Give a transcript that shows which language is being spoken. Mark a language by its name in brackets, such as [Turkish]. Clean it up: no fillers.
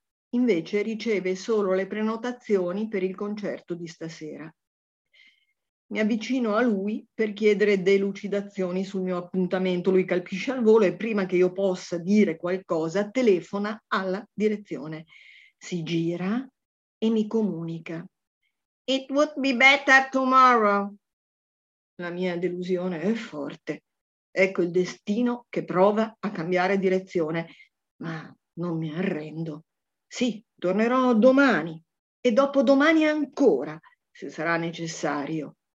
[Italian] Invece riceve solo le prenotazioni per il concerto di stasera. Mi avvicino a lui per chiedere delucidazioni sul mio appuntamento. Lui calpisce al volo e prima che io possa dire qualcosa telefona alla direzione. Si gira e mi comunica. [English] It would be better tomorrow. [Italian] La mia delusione è forte. Ecco il destino che prova a cambiare direzione, ma non mi arrendo. Sì, tornerò domani e dopodomani ancora, se sarà necessario.